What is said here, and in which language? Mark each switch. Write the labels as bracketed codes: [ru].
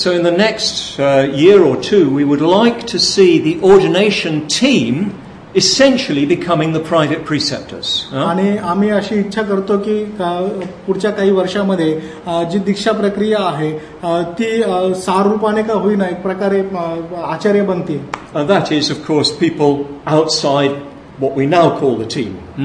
[en] So in the next year or two we would like to see the ordination team essentially becoming the private preceptors. [mr] आणि आम्ही अशी इच्छा करतो की पुढच्या काही वर्षांमध्ये जी दीक्षा प्रक्रिया आहे ती सारूपाने का होईना एक प्रकारे आचार्य बनते. [en] That is of course people outside what we now call the team.